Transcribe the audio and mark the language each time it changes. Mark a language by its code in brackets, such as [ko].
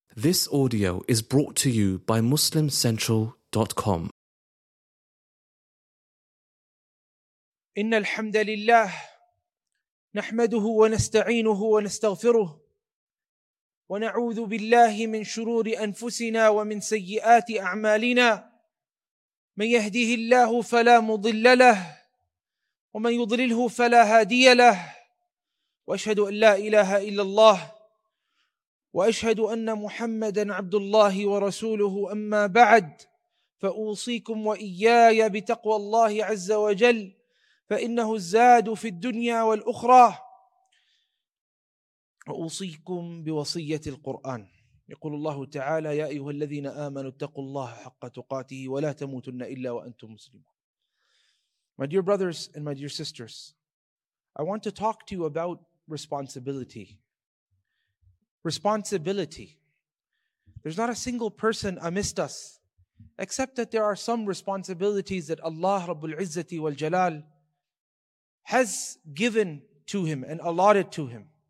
[en] This audio is brought to you by MuslimCentral.com. [ar] إن الحمد لله نحمده ونستعينه ونستغفره ونعوذ بالله من شرور أنفسنا ومن سيئات أعمالنا من يهديه الله فلا مضل له ومن يضلله فلا هادي له وأشهد أن لا إله إلا الله وأشهد أن محمدًا عبد الله ورسوله أما بعد فأوصيكم وإياي بتقوى الله عز وجل فإنه الزاد في الدنيا والأخرى وأوصيكم بوصية القرآن يقول الله تعالى يا أيها الذين آمنوا اتقوا الله حق تقاته ولا تموتن إلا وأنتم مسلمون. [en] My dear brothers and my dear sisters, I want to talk to you about responsibility. Responsibility. There's not a single person amidst us, except that there are some responsibilities that Allah Rabbul Izzati wal Jalal has given to him and allotted to him.